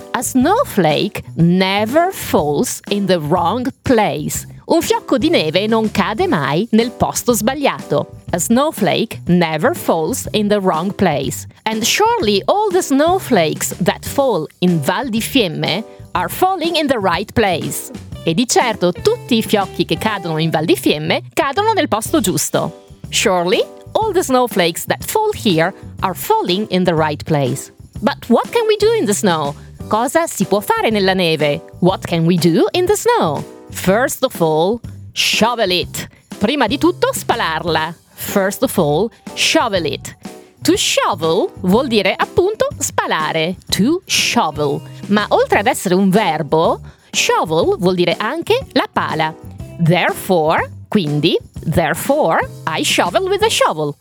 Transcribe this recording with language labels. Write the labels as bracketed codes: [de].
[en] A snowflake never falls in the wrong place. [it] Un fiocco di neve non cade mai nel posto sbagliato. [en] A snowflake never falls in the wrong place. And surely all the snowflakes that fall in Val di Fiemme are falling in the right place. [it] E di certo tutti i fiocchi che cadono in Val di Fiemme cadono nel posto giusto. [en] Surely all the snowflakes that fall here are falling in the right place. But what can we do in the snow? [it] Cosa si può fare nella neve? [en] What can we do in the snow? First of all, shovel it. [it] Prima di tutto, spalarla. [en] First of all, shovel it. To shovel [it] vuol dire appunto spalare. [en] To shovel. [it] Ma oltre ad essere un verbo, shovel vuol dire anche la pala. [en] Therefore, quindi, therefore, I shovel with a shovel.